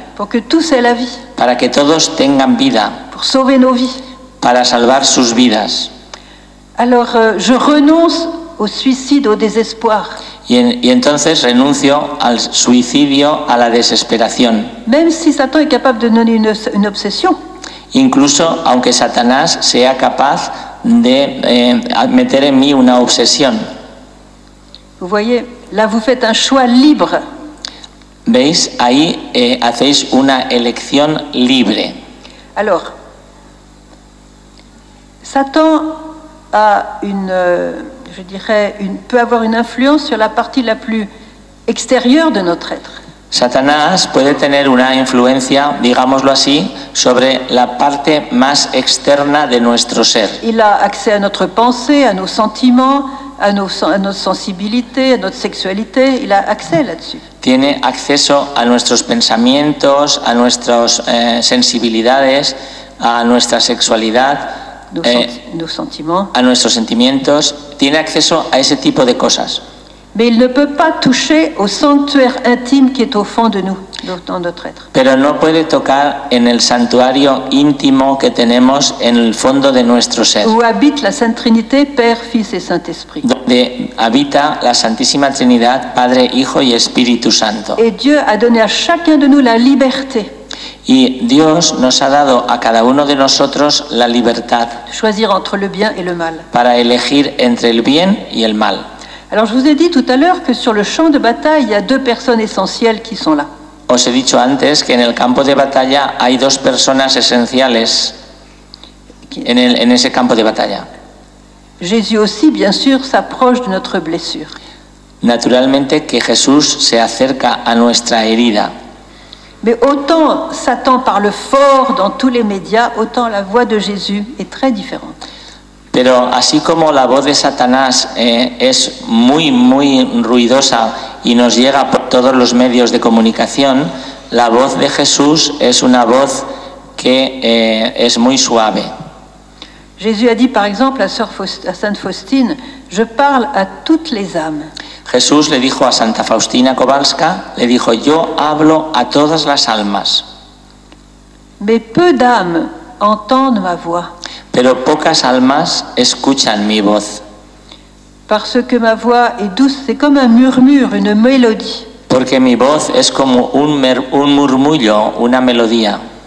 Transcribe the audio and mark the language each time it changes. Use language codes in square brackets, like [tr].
[fr] Pour que tous aient la vie. [es] Para que todos tengan vida. [fr] Pour sauver nos vies. [es] Para salvar sus vidas. [fr] Alors, je renonce au suicide, au désespoir. [es] Y entonces renuncio al suicidio, a la desesperación. [fr] Même si Satan est capable de donner une obsession. [es] Incluso aunque Satanás sea capaz de meter en mí una obsesión. [fr] Vous voyez, là vous faites un choix libre. [es] Veis, ahí hacéis una elección libre. [fr] Alors, Satan a une, je dirais, une, peut avoir une influence sur la partie la plus extérieure de notre être. [es] Satanás puede tener una influencia, digámoslo así, sobre la parte más externa de nuestro ser. [fr] Il a accès à notre pensée, à nos sentiments, à notre sensibilité, à notre sexualité. Il a accès là-dessus. [es] Tiene acceso a nuestros pensamientos, a nuestras sensibilidades, a nuestra sexualidad. Nos sentimientos, tiene acceso a ese tipo de cosas. [fr] Mais il ne peut pas toucher au sanctuaire intime qui est au fond de nous, dans notre être. [es] Pero no puede tocar en el santuario íntimo que tenemos en el fondo de nuestro ser. [fr] Où habite la Sainte Trinité, Père, Fils et Saint-Esprit. [es] Donde habita la Santísima Trinidad, Padre, Hijo y Espíritu Santo. [fr] Et Dieu a donné à chacun de nous la liberté. [es] Y Dios nos ha dado a cada uno de nosotros la libertad [fr] choisir entre le bien et le mal. [es] Para elegir entre el bien y el mal. [fr] Alors je vous ai dit tout à l'heure que sur le champ de bataille, il y a deux personnes essentielles qui sont là. [es] Os he dicho antes que en el campo de batalla hay dos personas esenciales en ese campo de batalla. [fr] Jésus aussi, bien sûr, s'approche de notre blessure. [es] Naturalmente que Jesús se acerca a nuestra herida. [fr] Mais autant Satan parle fort dans tous les médias, autant la voix de Jésus est très différente. [es] Pero así como la voz de Satanás es muy muy ruidosa y nos llega por todos los medios de comunicación, la voz de Jesús es una voz que es muy suave. [fr] Jésus a dit par exemple à Sainte Faustine, je parle à toutes les âmes. [es] Jesús le dijo a Santa Faustina Kowalska, le dijo, yo hablo a todas las almas. [fr] Mais peu d'âmes entendent ma voix. [es] Pero pocas almas escuchan mi voz. [fr] Parce que ma voix est douce, c'est comme un murmure, une mélodie. [es] Porque mi voz es como un murmullo, una melodía.